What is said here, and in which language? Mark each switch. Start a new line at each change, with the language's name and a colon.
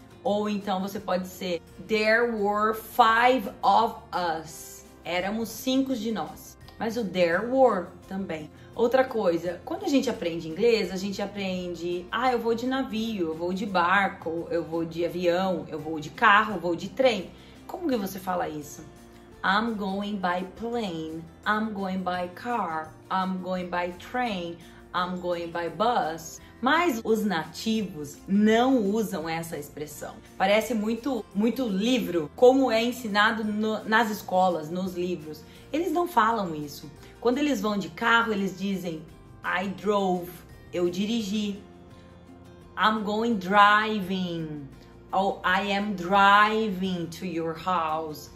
Portuguese: Ou então você pode dizer
English: there were 5 of us.
Portuguese: Éramos 5 de nós. Mas o there were também. Outra coisa, quando a gente aprende inglês, a gente aprende, ah, eu vou de navio, eu vou de barco, eu vou de avião, eu vou de carro, eu vou de trem. Como que você fala isso?
English: I'm going by plane, I'm going by car, I'm going by train, I'm going by bus.
Portuguese: Mas os nativos não usam essa expressão. Parece muito, muito livro, como é ensinado nas escolas, nos livros. Eles não falam isso. Quando eles vão de carro, eles dizem,
English: I drove,
Portuguese: eu dirigi.
English: I'm going driving. Ou I am driving to your house.